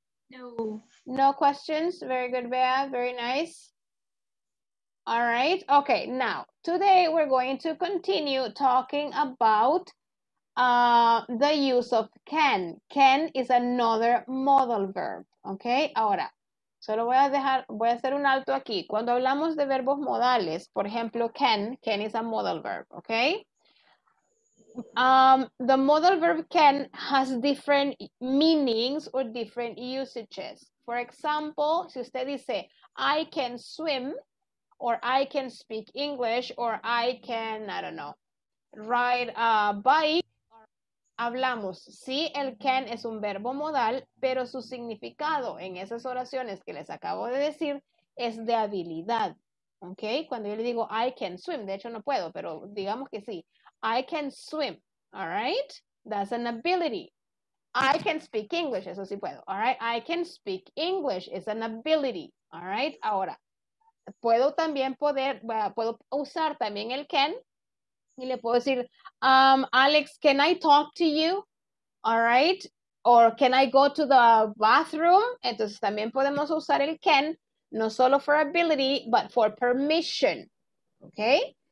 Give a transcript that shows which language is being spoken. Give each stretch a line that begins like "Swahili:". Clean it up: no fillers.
English: No. No questions. Very good, Bea. Very nice. All right. Okay, now today we're going to continue talking about the use of can. Can is another modal verb.
Spanish: Okay, ahora, solo voy a dejar, voy a hacer un alto aquí. Cuando hablamos de verbos modales, por ejemplo, can,
English: can is a modal verb. Okay, the modal verb can has different meanings or different usages. For example,
Spanish: si usted dice,
English: I can swim, or I can speak English, or I can, I don't know, ride a bike.
Spanish: Hablamos, sí, el can es un verbo modal, pero su significado en esas oraciones que les acabo de decir es de habilidad, ¿ok? Cuando yo le digo,
English: I can swim,
Spanish: de hecho no puedo, pero digamos que sí,
English: I can swim, all right? That's an ability. I can speak English,
Spanish: eso sí puedo,
English: all right? I can speak English, it's an ability, all right?
Spanish: Ahora, puedo también poder, puedo usar también el can, y le puedo decir, Alex,
English: can I talk to you? All right. Or can I go to the bathroom?
Spanish: Entonces también podemos usar el can, no solo
English: for ability, but for permission. Okay.